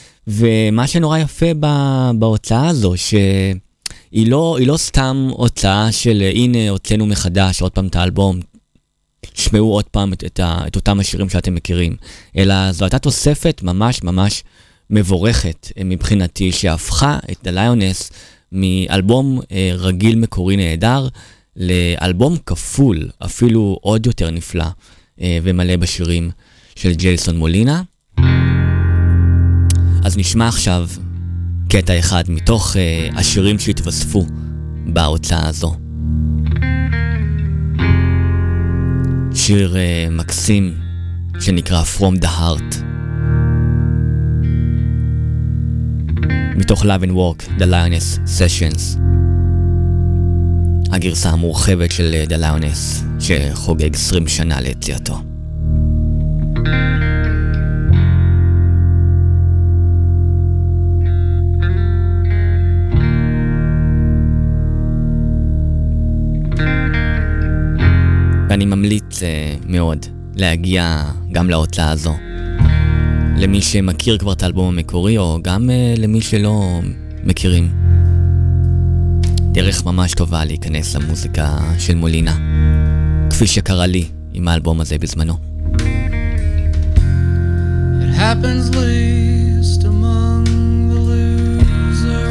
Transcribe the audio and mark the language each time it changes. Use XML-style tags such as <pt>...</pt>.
<he>ומה שנורא יפה בהוצאה הזו, שהיא לא סתם הוצאה של הנה הוצאנו מחדש עוד פעם את האלבום, תשמעו עוד פעם את אותם השירים שאתם מכירים, אלא זו הייתה תוספת ממש ממש מבורכת מבחינתי, שהפכה את The Lioness מאלבום רגיל מקורי נהדר לאלבום כפול, אפילו עוד יותר נפלא ומלא בשירים של ג'ייסון מולינה. אז נשמע עכשיו קטע אחד מתוך השירים שהתווספו בהוצאה הזו. שיר מקסים שנקרא From the Heart, מתוך Love and Work, The Lioness Sessions, הגרסה המורחבת של The Lioness שחוגג 20 שנה ליציאתו. ואני ממליץ מאוד להגיע גם להוצאה הזו, למי שמכיר כבר את האלבום המקורי, או גם למי שלא מכירים. דרך ממש טובה להיכנס למוזיקה של מולינה, כפי שקרה לי עם האלבום הזה בזמנו.</he> <en>It happens least among the losers.</en>